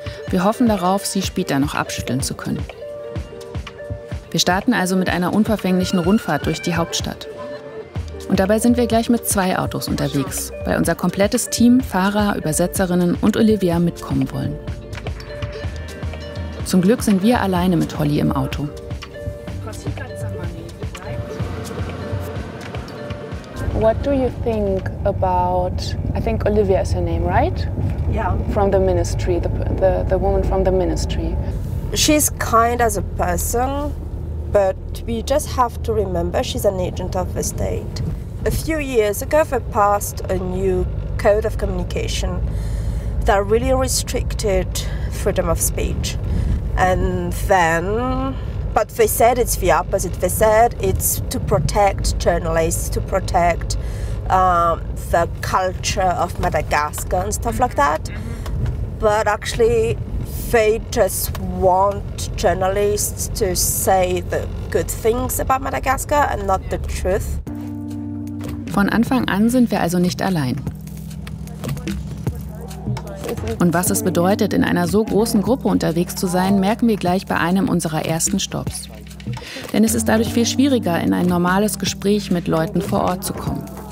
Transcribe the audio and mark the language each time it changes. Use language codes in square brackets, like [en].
[de] Wir hoffen darauf, sie später noch abschütteln zu können. Wir starten also mit einer unverfänglichen Rundfahrt durch die Hauptstadt. Und dabei sind wir gleich mit zwei Autos unterwegs, weil unser komplettes Team, Fahrer, Übersetzerinnen und Olivia mitkommen wollen. Zum Glück sind wir alleine mit Holly im Auto. [en] What do you think about, I think Olivia is her name, right? Yeah. From the ministry, the woman from the ministry. She's kind as a person, but we just have to remember she's an agent of the state. A few years ago, they passed a new code of communication that really restricted freedom of speech. And then, but they said it's the opposite. They said it's to protect journalists, to protect the culture of Madagascar and stuff like that. But actually, they just want journalists to say the good things about Madagascar and not the truth. [de] Von Anfang an sind wir also nicht allein. Und was es bedeutet, in einer so großen Gruppe unterwegs zu sein, merken wir gleich bei einem unserer ersten Stopps. Denn es ist dadurch viel schwieriger, in ein normales Gespräch mit Leuten vor Ort zu kommen.